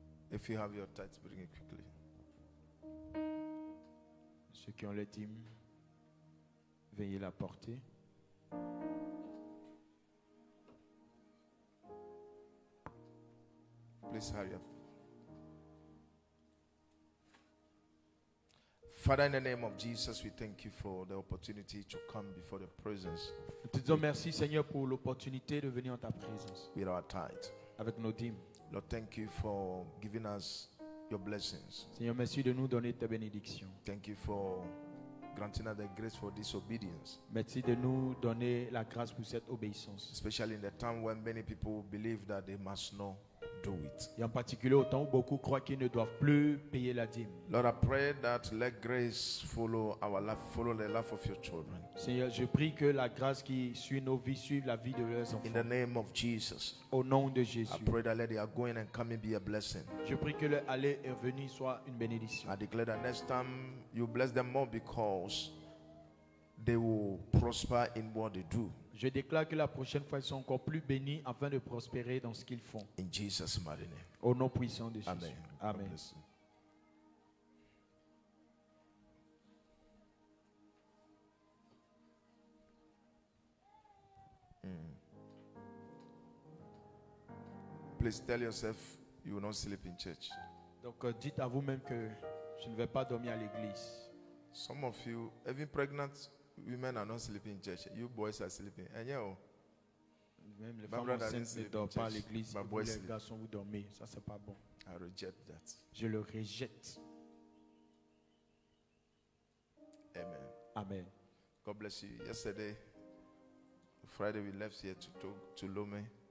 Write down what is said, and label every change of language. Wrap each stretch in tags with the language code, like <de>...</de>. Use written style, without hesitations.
<en>If you have your tithes, bring it quickly.</en> <fr>Ceux qui ont les dîmes, veuillez la porter.</fr> <en>Please hurry up. Father, in the name of Jesus, we thank you for the opportunity to come before the presence.</en> <fr>Nous te disons merci, Seigneur, pour l'opportunité de venir en ta présence.</fr> <en>With our tithes.</en> <fr>Avec nos dîmes.</fr> <en>Lord, thank you for giving us your blessings.</en> <fr>Seigneur, merci de nous donner ta bénédiction.</fr> <en>Thank you for granting us the grace for disobedience.</en> <fr>Merci de nous donner la grâce pour cette obéissance.</fr> <en>Especially in the time when many people believe that they must not do it.</en> <fr>Et en particulier au temps où beaucoup croient qu'ils ne doivent plus payer la dîme.</fr> <en>Lord, I pray that let grace follow our life, follow the life of your children.</en> <fr>Seigneur, je prie que la grâce qui suit nos vies suive la vie de leurs enfants.</fr> <en>In the name of Jesus.</en> <fr>Au nom de Jésus.</fr> <en>I pray that let their going and coming be a blessing.</en> <fr>Je prie que leur aller et venir soit une bénédiction.</fr> <en>I declare that next time you bless them more because they will prosper in what they do.</en> <fr>Je déclare que la prochaine fois, ils sont encore plus bénis afin de prospérer dans ce qu'ils font.</fr> <en>In Jesus' mighty name.</en> <fr>Au nom puissant de Jésus.</fr> <en>Amen.</en> <fr>Amen.</fr> <en>Please tell yourself you will not sleep in church.</en> <fr>Donc dites à vous-même que je ne vais pas dormir à l'église.</fr> <en>Some of you, even pregnant women are not sleeping in church. You boys are sleeping.</en> <fr>Même les femmes enceintes ne dorment pas à l'église. Les garçons, vous dormez. Ça, c'est pas bon.</fr> <en>I reject that.</en> <fr>Je le rejette.</fr> <en>Amen.</en> <fr>Amen.</fr> <en>God bless you. Yesterday, Friday, we left here to talk to Lomé.</en>